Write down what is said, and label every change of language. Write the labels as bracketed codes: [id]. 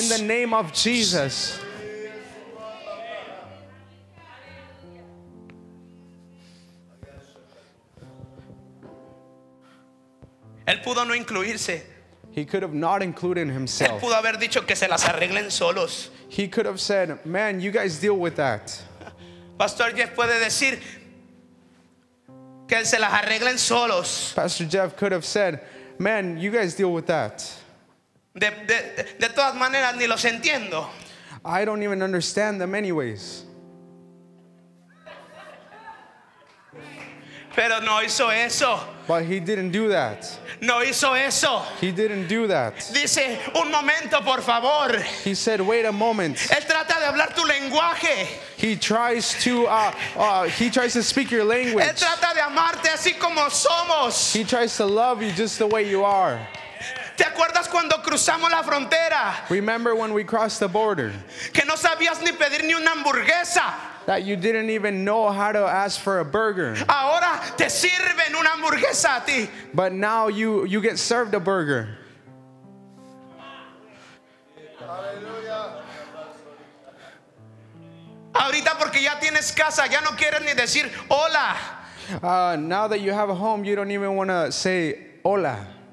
[en] In the name of Jesus. [es] Él pudo no incluirse. [en] He could have not included himself. [es] Él pudo haber dicho que se las arreglen solos. [en] He could have said, "Man, you guys deal with that." [es] Pastor Jeff puede decir que se las arreglen solos. [en] Pastor Jeff could have said, "Man, you guys deal with that." [es] De todas maneras ni los entiendo. [en] I don't even understand them anyways. [es] Pero no hizo eso. [en] But he didn't do that. [es] No hizo eso. [en] He didn't do that. [es] Dice, un momento, por favor. [en] He said, wait a moment. [es] Él trata de hablar tu lenguaje. [en] He tries to speak your language. [es] Él trata de amarte así como somos. [en] He tries to love you just the way you are. [es] ¿Te acuerdas cuando cruzamos la frontera? [en] Remember when we crossed the border? [es] Que no sabías ni pedir ni una hamburguesa. [en] That you didn't even know how to ask for a burger. [es] Ahora te sirven una hamburguesa a ti. [en] But now you get served a burger. Hallelujah. [es] Ahorita porque ya tienes casa, ya no quieres ni decir hola. [en] Now that you have a home, you don't even want to say hola.